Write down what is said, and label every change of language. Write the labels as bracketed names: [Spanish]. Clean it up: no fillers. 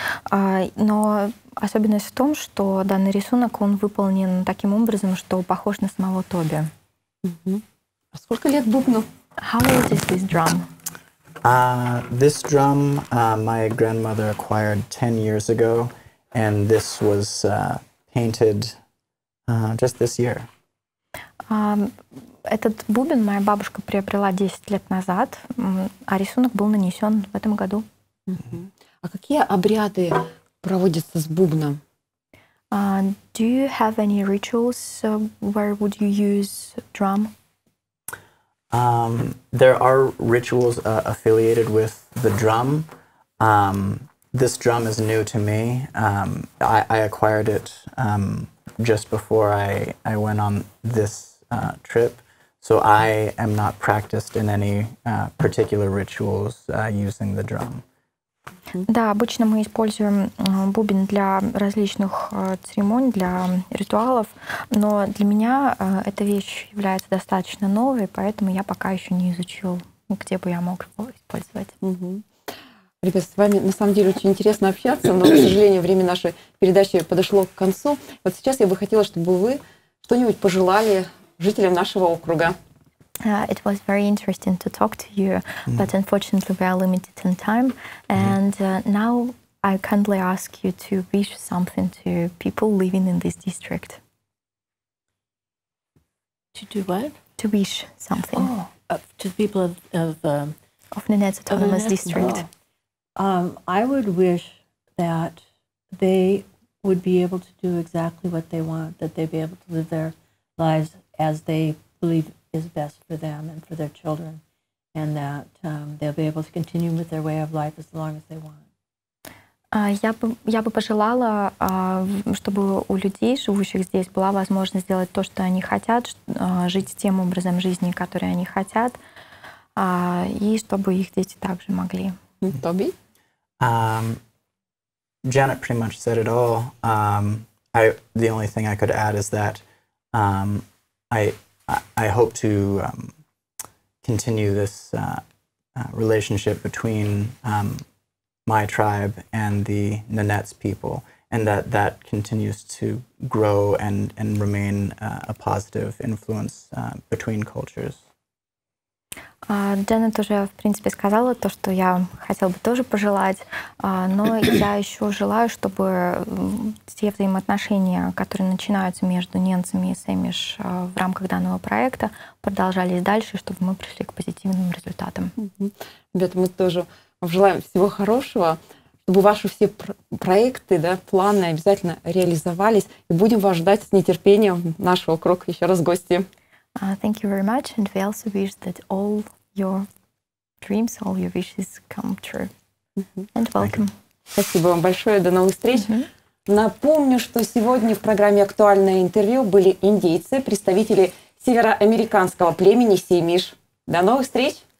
[Russian] Но особенность в том, что данный рисунок, он выполнен таким образом, что похож на самого Тоби. А сколько лет бубну? [English] How old is this drum? This drum my grandmother acquired 10 years ago, and this was painted just this year. [Russian] Этот бубен моя бабушка приобрела 10 лет назад, а рисунок был нанесен в этом году. А какие обряды проводятся с бубном? [English] Do you have any rituals where would you use drum? There are rituals affiliated with the drum. This drum is new to me. I acquired it just before I went on this trip. So I am not practiced in any particular rituals using the drum. [Russian] Да, обычно мы используем бубен для различных церемоний, для ритуалов, но для меня эта вещь является достаточно новой, поэтому я пока еще не изучил, где бы я мог его использовать. Угу. Ребят, с вами на самом деле очень интересно общаться, но, к сожалению, время нашей передачи подошло к концу. Вот сейчас я бы хотела, чтобы вы что-нибудь пожелали жителям нашего округа. [English] It was very interesting to talk to you, but unfortunately we are limited in time. And now I kindly ask you to wish something to people living in this district. To do what? To wish something. To the people of Nenets Autonomous District. I would wish that they would be able to do exactly what they want, that they'd be able to live their lives as they believe is best for them and for their children, and that they'll be able to continue with their way of life as long as they want. [Russian] Я бы пожелала, чтобы у людей, живущих здесь, была возможность сделать то, что они хотят, жить тем образом жизни, который они хотят, и чтобы их дети также могли. Тоби? [English] Janet pretty much said it all. The only thing I could add is that I hope to continue this relationship between my tribe and the Nenets people, and that continues to grow and remain a positive influence between cultures. [Russian] Дженнет уже, в принципе, сказала то, что я хотела бы тоже пожелать, но я еще желаю, чтобы те взаимоотношения, которые начинаются между ненцами и сэмиш в рамках данного проекта, продолжались дальше, чтобы мы пришли к позитивным результатам. Ребята, мы тоже желаем всего хорошего, чтобы ваши все проекты, да, планы обязательно реализовались, и будем вас ждать с нетерпением нашего круга еще раз гости. [English] Thank you very much, and we also wish that all your dreams, all your wishes come true. Mm-hmm. And welcome. [Russian] Спасибо вам большое, до новых встреч. Напомню, что сегодня в программе «Актуальное интервью» были индейцы, представители североамериканского племени Семиш. До новых встреч!